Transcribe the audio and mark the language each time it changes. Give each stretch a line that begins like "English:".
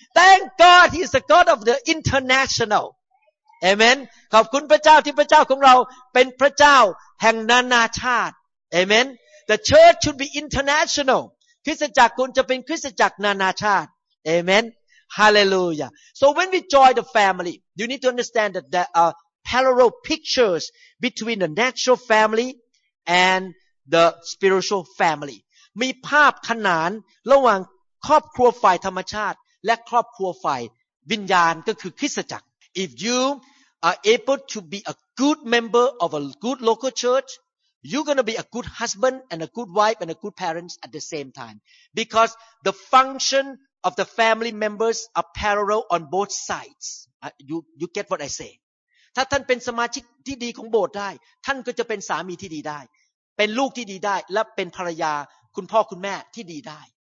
English: Thank God he is the God of the international. Amen.
Thai: ขอบคุณพระเจ้าที่พระเจ้าของเราเป็นพระเจ้าแห่งนานาชาติ Amen.
English: The church should be international.
Thai: คริสตจักรควรจะเป็นคริสตจักรนานาชาติ Amen.
English: Hallelujah. So when we join the family, you need to understand that there are parallel pictures between the natural family and the spiritual family.
Thai: มีภาพขนานระหว่างครอบครัวฝ่ายธรรมชาติและครอบครัวฝ่ายวิญญาณก็คือคริสตจักร
English: If you are able to be a good member of a good local church you're going to be a good husband and a good wife and a good parents at the same time because the function of the family members are parallel on both sides you get what I say
Thai: ถ้าท่านเป็นสมาชิกที่ดีของโบสถ์ได้ท่านก็จะเป็นสามีที่ดีได้
English: เป็นลูกที่ดีได้และเป็นภรรยาคุณพ่อคุณแม่ที่ดีได้